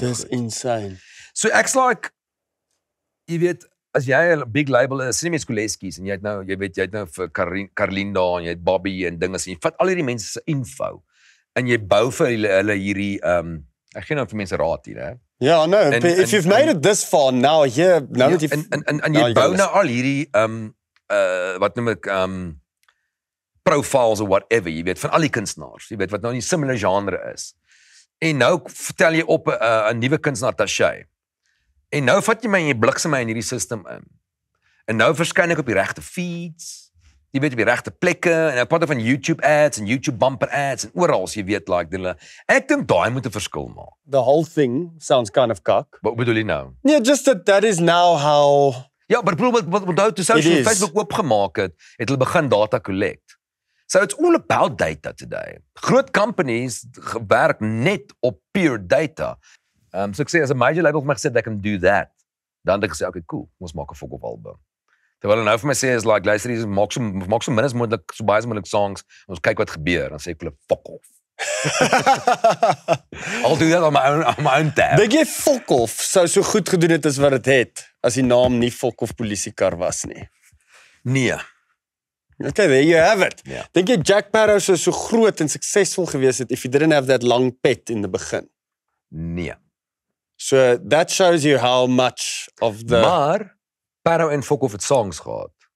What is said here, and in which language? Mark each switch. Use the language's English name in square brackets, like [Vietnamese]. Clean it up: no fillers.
[Afrikaans] Dis insane. So ek's like, jy weet, as jy 'n big label is, sien jy mense Koleskies, en jy het nou vir Karlien daar, en jy het Bobby en ding, en jy vat al hierdie mense se info, en jy bou vir hulle hierdie, ek gee nou vir mense raad hier, hè? [English] Ja, no, if you've made it this far, now here, now that [Afrikaans] and jy bou nou al hierdie, wat noem ek, profiles or whatever, jy weet, van al die kunstenaars, jy weet, wat nou in die similar genre is, en nou vertel jy op een nieuwe kunstenaar, Tashay, en nou vat jy my en jy bliksem my in hierdie system in. En nou verskyn ek op die regte feeds, jy weet, op die regte plekke, en ek praat van YouTube ads, en YouTube bumper ads, en oral, jy weet, like, die, ek dink daai moet 'n verskil maak. [English] The whole thing sounds kind of kak. [Afrikaans] Wat bedoel jy nou? [English] Nee, yeah, just that is now how... [Afrikaans] Ja, maar bedoel, wat onthoud, toe social Facebook oopgemaak het, het hulle begin data collect. [English] So it's all about data today. Groot companies werk net op peer data. [Afrikaans] So ek sê, as a major label vir my gesê, they can do that. Dan het ek gesê, okay, cool, ons maak 'n Fokof album. Terwyl hulle nou vir my sê, is like, luister, maak so min as moontlik, so baie as moontlik songs, ons kyk wat gebeur, dan sê ek, hulle, fuck off. [English] I'll do that on my own tab. [Afrikaans] Dink jy Fokof sou so goed gedoen het as wat het het, as die naam nie Fokofpolisiekar was nie? Nee. [English] Okay, there you have it. Yeah. [Afrikaans] Dink jy Jack Barrow sou so groot en suksesvol gewees het if he didn't have that long pet in the begin? Nee. [English] So that shows you how much of the... [Afrikaans] Maar, Barrow en Fokof het songs gehad.